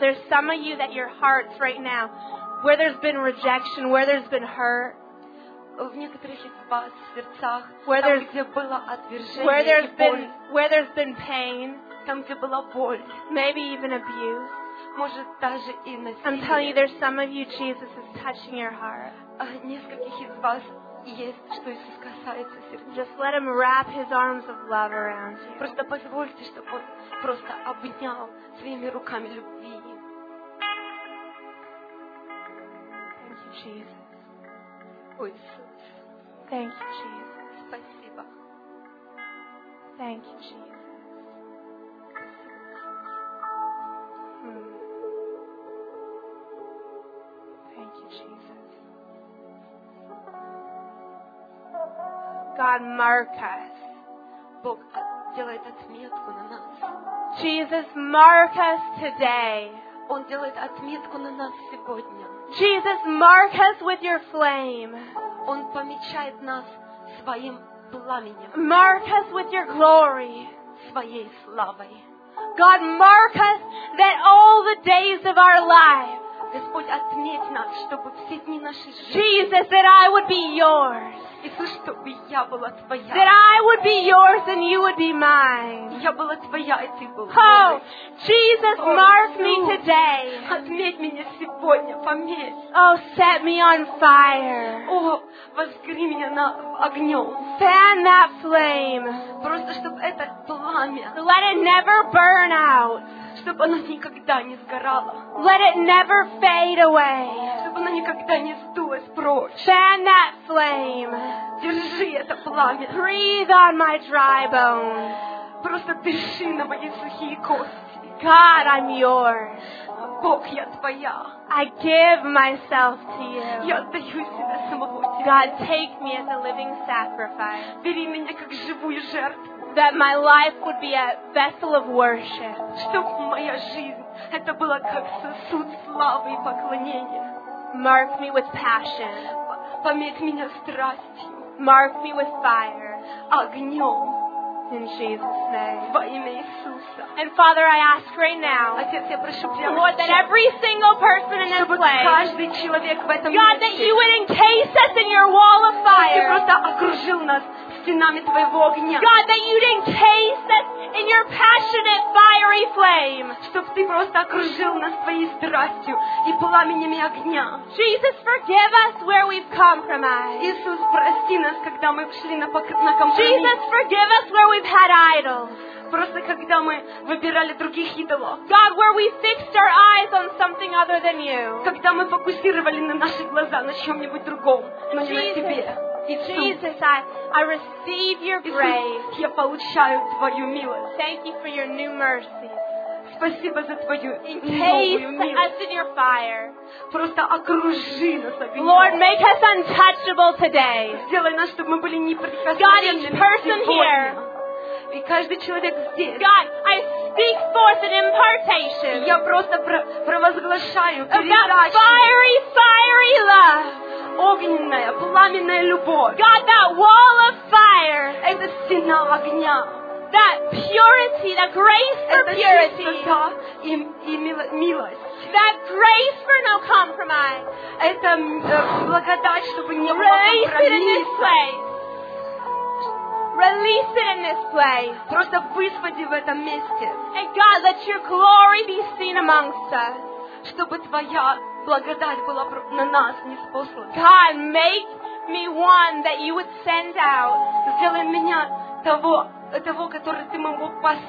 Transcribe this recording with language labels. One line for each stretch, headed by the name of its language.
English: There's some of you that your hearts right now, where there's been rejection, where there's been hurt.
Russian: В некоторых из вас сердцах, где было отвержение и боль.
English: Where there's been pain.
Russian: Там, где была боль.
English: Maybe even abuse.
Russian: Может, даже и насилие.
English: I'm telling you, there's some of you, Jesus is touching your heart.
Russian: Нескольких из вас есть, что Иисус касается сердца.
English: Just let him wrap his arms of love around you.
Russian: Просто позвольте, чтобы он просто обнял своими руками любви.
English: Thank you, Jesus. Thank you, Jesus.
Russian: Спасибо.
English: Thank you, Jesus. Thank you, Jesus. God, mark us.
Russian: Бог делает отметку на нас.
English: Jesus, mark us today.
Russian: Он делает отметку на нас сегодня.
English: Jesus, mark us with your flame.
Russian: Он помечает нас своим пламенем.
English: Mark us with your glory.
Russian: Своей славой.
English: God, mark us that all the days of our life.
Russian: Господь, отметь нас, чтобы все дни нашей жизни.
English: Jesus, that I would be yours.
Russian: Иисус, чтобы я была твоя.
English: That I would be yours and you would be mine.
Russian: Я была твоя, и ты был мой.
English: Oh, Jesus, mark me today.
Russian: Отметь меня сегодня, пометь.
English: Oh, set me on fire.
Russian: Oh, возгори меня на огнем.
English: Fan that flame.
Russian: Просто чтобы это пламя.
English: Let it never burn out.
Russian: Чтобы оно никогда не сгорало.
English: Let it never fade away.
Russian: Чтобы оно никогда не сдулось прочь.
English: Fan that flame.
Russian: Держи это пламя.
English: Breathe on my dry bones.
Russian: Просто дыши на мои сухие кости.
English: God, I'm yours.
Russian: Бог, я твоя.
English: I give myself to you.
Russian: Я отдаю себя самого тебе.
English: God, take me as a living sacrifice.
Russian: Бери меня как живую жертву.
English: That my life would be a vessel of worship.
Russian: Чтоб моя жизнь это была как сосуд славы и поклонения.
English: Mark me with passion.
Russian: Пометь меня страстью.
English: Mark me with fire.
Russian: Огнем.
English: In Jesus' name.
Russian: Во имя Иисуса.
English: And Father, I ask right now,
Russian: Отец, я прошу прямо сейчас,
English: Lord, that every single person in this place,
Russian: каждый человек в этом
English: God,
Russian: месте,
English: that you would encase us in your wall of fire.
Russian: Ты просто окружил нас стенами твоего огня.
English: God, that you'd encase us in your passionate fiery flame.
Russian: Чтоб ты просто окружил нас твоей страстью и пламенями огня.
English: Jesus, forgive us where we've compromised.
Russian: Иисус, прости нас, когда мы пошли на компромисс.
English: Jesus, forgive us where we've had idols.
Russian: Просто когда мы выбирали других идолов.
English: God, where we fixed our eyes on something other than you.
Russian: Когда мы фокусировали на наши глаза на чем-нибудь другом, но не на тебе.
English: Jesus, I receive your grace.
Russian: Я получаю твою милость.
English: Thank you for your new mercy.
Russian: Спасибо за твою
English: Encase
Russian: новую милость.
English: Encase us in your fire.
Russian: Просто окружи нас огнем.
English: Lord, make us untouchable today.
Russian: Сделай нас, чтобы мы были неприкосновенными сегодня.
English: God, each person here.
Russian: И каждый человек здесь.
English: God, I speak forth an impartation.
Russian: Я просто провозглашаю передачу.
English: Of that fiery, fiery love.
Russian: Огненная, пламенная любовь.
English: God, that wall of fire.
Russian: Это стена огня.
English: That purity, that grace for
Russian: это
English: purity.
Russian: Это чистота и милость.
English: That grace for no compromise.
Russian: Это благодать, чтобы не было компромисса.
English: Release it in this place.
Russian: Просто высвободи в этом месте.
English: And God, let your glory be seen amongst us.
Russian: Чтобы твоя благодать была на нас ниспослана.
English: God, make me one that you would send out.
Russian: Сделай меня того, который ты мог послать.